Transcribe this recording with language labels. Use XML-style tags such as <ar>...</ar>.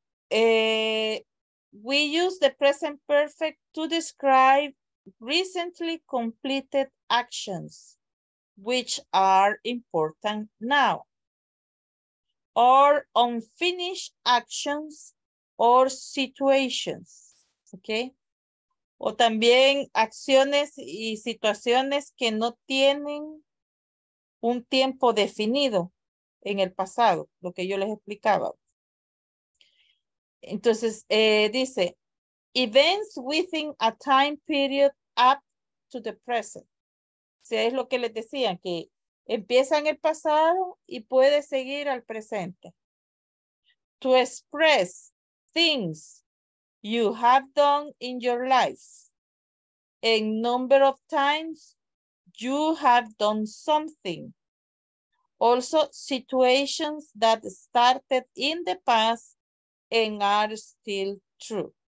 <en>We use the present perfect to describe recently completed actions, which are important now, or unfinished actions or situations. Okay.</en> <es>O también acciones y situaciones que no tienen un tiempo definido en el pasado, lo que yo les explicaba. Entonces, dice,</es> <en>events within a time period up to the present.</en> <es>O sea, es lo que les decía, que empieza en el pasado y puede seguir al presente.</es> <en>To express things you have done in your life. A number of times you have done something. Also, situations that started in the past and are still true.</en>